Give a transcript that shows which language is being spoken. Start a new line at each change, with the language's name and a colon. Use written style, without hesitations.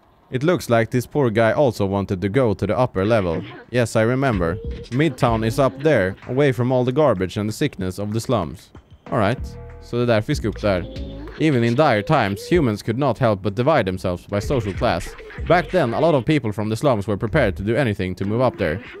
English: It looks like this poor guy also wanted to go to the upper level. Yes, I remember. Midtown is up there, away from all the garbage and the sickness of the slums.
Swedish: Alright, so det där vi ska upp där.
English: Even in dire times, humans could not help but divide themselves by social class. Back then, a lot of people from the slums were prepared to do anything to move up there.